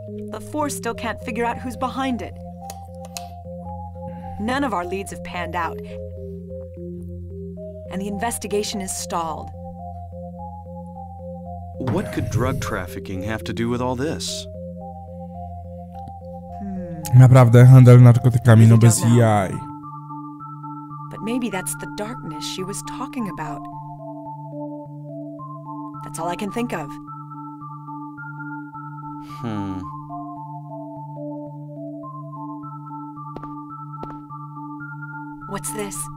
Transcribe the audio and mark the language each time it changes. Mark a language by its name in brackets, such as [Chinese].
[English] The force still can't figure out who's behind it. None of our leads have panned out. And the investigation is stalled. What could drug trafficking have to do with all this? [Polish] Naprawdę, handel narkotykami, no bez jaj. [English] But maybe that's the darkness she was talking about. That's all I can think of. What's this?